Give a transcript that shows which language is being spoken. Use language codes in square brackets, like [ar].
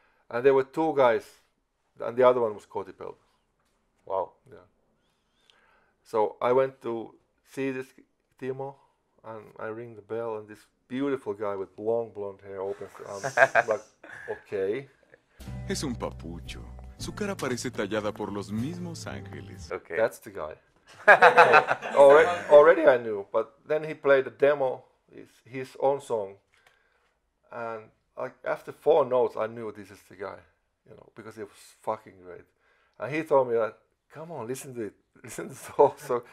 [en] And there were two guys, and the other one was Koti Pelto. Wow. Yeah. So I went to see this Timo, and I ring the bell, and this beautiful guy with long blonde hair opens the arms. Like, okay. [es] Es un papucho. Su cara parece tallada por los mismos ángeles. [en] Okay. That's the guy. already I knew, but then he played a demo, his own song. And like after four notes, I knew this is the guy, you know, because it was fucking great. And he told me, like, come on, listen to it. Listen to the song.